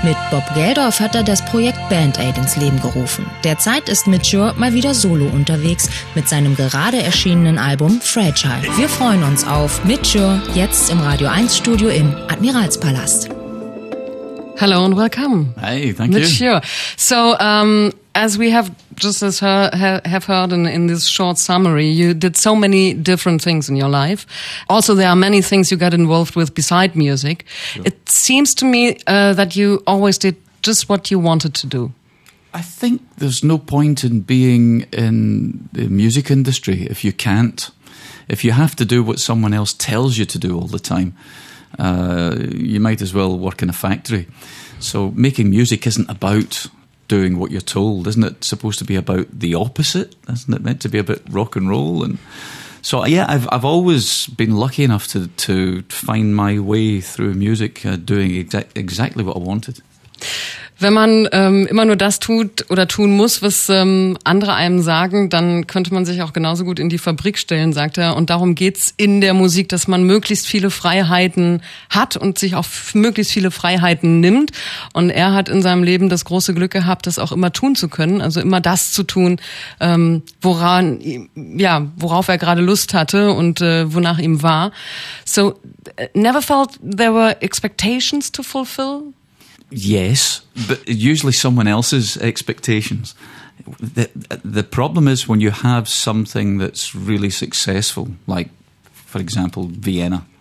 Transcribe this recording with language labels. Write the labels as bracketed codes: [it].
[de] Mit Bob Geldof hat er das Projekt Band Aid ins Leben gerufen. Derzeit ist Mature mal wieder solo unterwegs mit seinem gerade erschienenen Album Fragile. Wir freuen uns auf Mature, jetzt im Radio 1 Studio im Admiralspalast. [en] Hello and welcome. Hey, thank you. Mature. So, as we have just as have heard in this short summary, you did so many different things in your life. Also, there are many things you got involved with beside music. Sure. It seems to me that you always did just what you wanted to do. I think there's no point in being in the music industry if you can't. If you have to do what someone else tells you to do all the time, you might as well work in a factory. So making music isn't about doing what you're told. Isn't it supposed to be about the opposite? Isn't it meant to be about rock and roll? And so, yeah, I've always been lucky enough to find my way through music, doing exactly what I wanted. [de] Wenn man immer nur das tut oder tun muss, was andere einem sagen, dann könnte man sich auch genauso gut in die Fabrik stellen, sagt er. Und darum geht's in der Musik, dass man möglichst viele Freiheiten hat und sich auch möglichst viele Freiheiten nimmt. Und er hat in seinem Leben das große Glück gehabt, das auch immer tun zu können, also immer das zu tun, worauf er gerade Lust hatte und wonach ihm war. [en] So, never felt there were expectations to fulfill? Yes, but usually someone else's expectations. The problem is when you have something that's really successful, like, for example, Vienna.